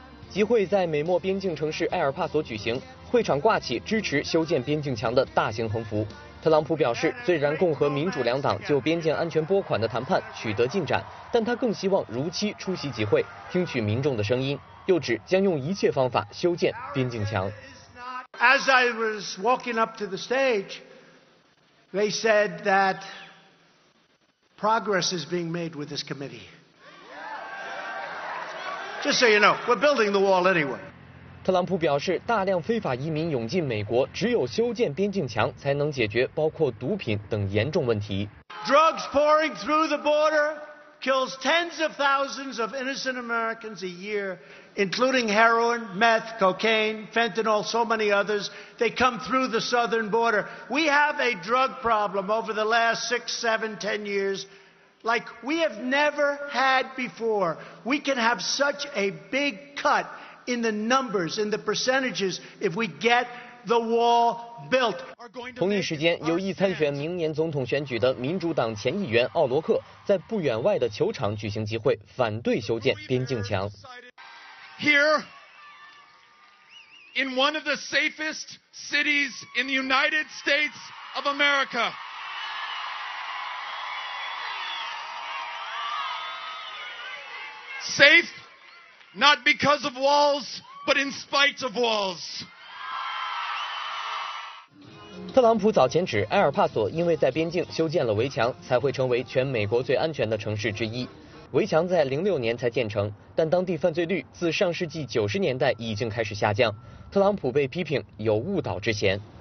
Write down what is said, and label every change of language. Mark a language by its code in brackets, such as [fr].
[zh] 集会在美墨边境城市埃尔帕索举行，会场挂起支持修建边境墙的大型横幅。特朗普表示，虽然共和民主两党就边境安全拨款的谈判取得进展，但他更希望如期出席集会，听取民众的声音，又指将用一切方法修建边境墙。 [en] As I was walking up to the stage, they said that progress is being made with this committee. Just so you know, we're building the wall anyway. [zh] 特朗普表示，大量非法移民涌进美国，只有修建边境墙才能解决包括毒品等严重问题。 [en] Drugs pouring through the border kills tens of thousands of innocent Americans a year, including heroin, meth, cocaine, fentanyl, so many others. They come through the southern border. We have a drug problem over the last 6, 7, 10 years. Like we have never had before. We can have such a big cut in the numbers, in the percentages, if we get the wall built. [zh] 同一时间，有意参选明年总统选举的民主党前议员奥罗克在不远外的球场举行集会，反对修建边境墙。 [en] Here, in one of the safest cities in the United States of America. Safe, not because of walls, but in spite of walls. [zh] 特朗普早前指埃尔帕索因为在边境修建了围墙，才会成为全美国最安全的城市之一。围墙在2006年才建成，但当地犯罪率自上世纪90年代已经开始下降。特朗普被批评有误导之嫌。